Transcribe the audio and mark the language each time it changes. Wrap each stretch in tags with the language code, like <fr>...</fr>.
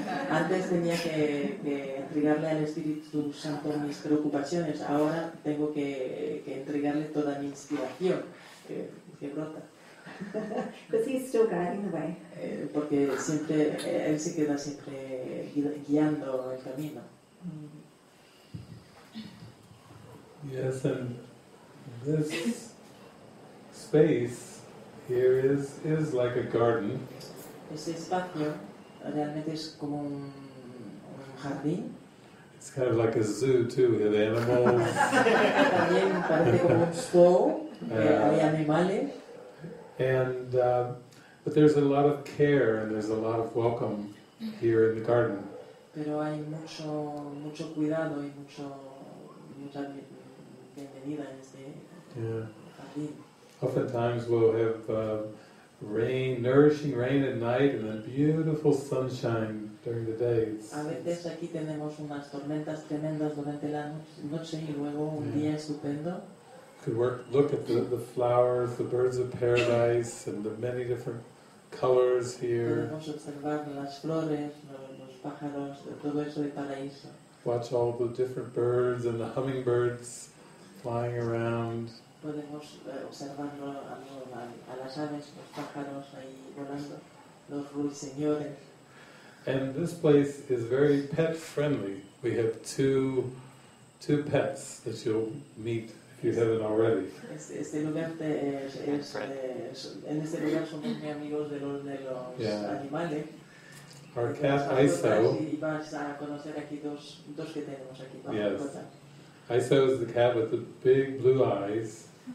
<es>Antes tenía que entregarle al Espíritu Santo mis preocupaciones, ahora tengo que entregarle toda mi inspiración que brota.</es> <en>Because he's still guiding the way.</en> <es>Porque siempre él se queda siempre guiando el camino.</es> <en>Yes, and this space here is like a garden.</en> <es>Este espacio realmente es como un jardín.</es> <en>It's kind of like a zoo too. We have animals.</en> <es>También parece como un zoo. Hay animales.</es> <en>And but there's a lot of care and there's a lot of welcome here in the garden.</en> <es>Pero hay mucho cuidado y mucha bienvenida en este jardín.</es> <en>Oftentimes we'll have rain, nourishing rain at night, and then beautiful sunshine during the day.</en> <es>A veces aquí tenemos unas tormentas tremendas durante la noche y luego un día estupendo.</es> <en>Could look at the flowers, the birds of paradise, and the many different colors here.</en> <es>Podemos observar las flores, los pájaros, todo eso de paraíso.</es> <en>watch all the different birds and the hummingbirds flying around.</en> <es>Podemos observando a las aves, los pájaros ahí volando, los ruiseñores.</es> <en>And this place is very pet friendly. We have two pets that you'll meet if you haven't already.</en> <es>Este lugar es en este lugar somos muy amigos de los animales.</es> <en>Our cat Iso.</en> <es>Vas a conocer aquí dos que tenemos aquí.</es> <en>Yes. Iso is the cat with the big blue eyes.</en>